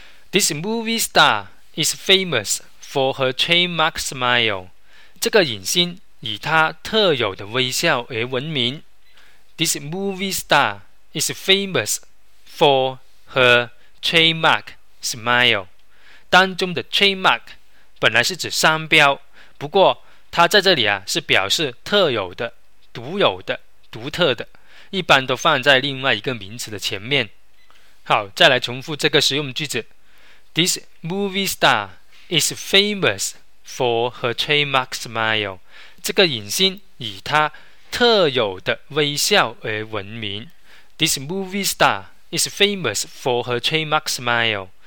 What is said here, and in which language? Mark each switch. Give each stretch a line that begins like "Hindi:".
English: This movie star is famous for her trademark smile.
Chinese: 这个影星以她特有的微笑而闻名。
English: This movie star is famous for her trademark smile.
Chinese: 当中的 trademark 本来是指商标，不过它在这里啊是表示特有的、独有的、独特的，一般都放在另外一个名词的前面。好，再来重复这个实用句子。
English: This movie star is famous for her trademark smile.
Chinese: 这个影星以她特有的微笑而闻名。
English: This movie star is famous for her trademark smile.